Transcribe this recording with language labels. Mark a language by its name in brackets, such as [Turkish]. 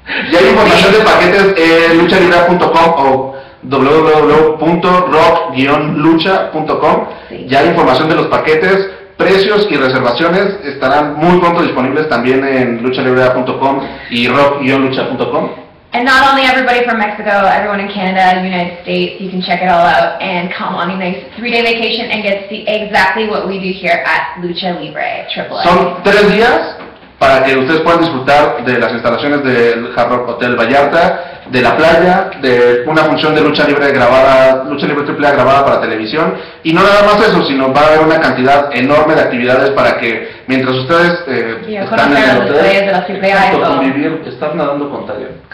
[Spanish] Ya hay información de paquetes en luchalibre.com o www.rock-lucha.com. Sí. Ya hay información de los paquetes, precios y reservaciones estarán muy pronto disponibles también en luchalibre.com y rock-lucha.com. [English] And not only everybody from Mexico, everyone in Canada, United States, you can check it all out and come on a nice 3-day vacation and get to see exactly what we do here at Lucha Libre AAA. [Spanish] Son 3 días para que ustedes puedan disfrutar de las instalaciones del Hard Rock Hotel Vallarta, de la playa, de una función de lucha libre grabada, lucha libre AAA grabada para televisión. Y no nada más eso, sino va a haber una cantidad enorme de actividades para que mientras ustedes están en el hotel, convivir, estar nadando con Talia.